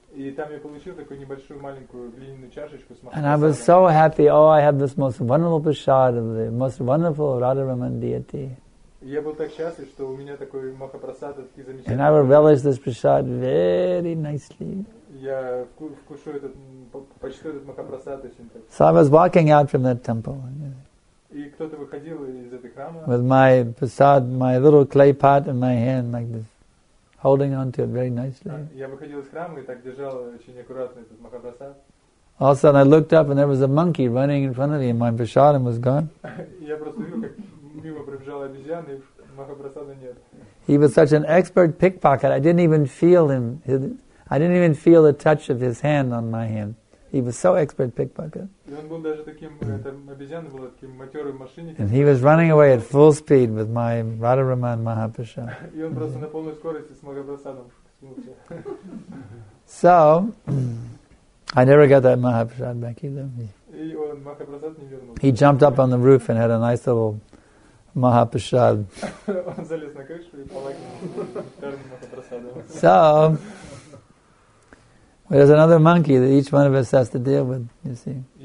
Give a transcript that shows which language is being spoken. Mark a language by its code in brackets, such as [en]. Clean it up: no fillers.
[ru] И там я получил такую небольшую маленькую глиняную чашечку с Махапрасадом. [en] And I was so happy. Oh, I have this most wonderful prasad of the most wonderful Radha-Raman deity. [ru] Я был так счастлив, что у меня такой Махапрасад, такой замечательный. [en] And I will relish this prasad very nicely. [ru] Я вкушу этот, почту этот Махапрасад очень так. [en] So I was walking out from that temple. [ru] И кто-то выходил из этой храма. [en] With my prasad, my little clay pot in my hand like this. Holding on to it very nicely. [ru] Я выходил из храма и так держал очень аккуратно этот махапрасад. [en] All of a sudden I looked up and there was a monkey running in front of me and my prasad was gone. [ru] Я просто видел, как мимо пробежала обезьяна и махапрасада нет. [en] He was such an expert pickpocket. I didn't even feel him. I didn't even feel the touch of his hand on my hand. He was so expert pickpocket. [ru] И он был даже таким, эта обезьяна была таким матерым мошенником. [en] And he was running away at full speed with my Radha-Raman Mahaprasad. [ru] И он просто на полной скорости с Махапрасадом. [en] So, I never got that Mahaprasad back either. [ru] И он Махапрасад не вернул. [en] He jumped up on the roof and had a nice little Mahaprasad. [ru] Он залез на крышу и полакал Махапрасадом. [en] So, there's another monkey that each one of us has to deal with, you see.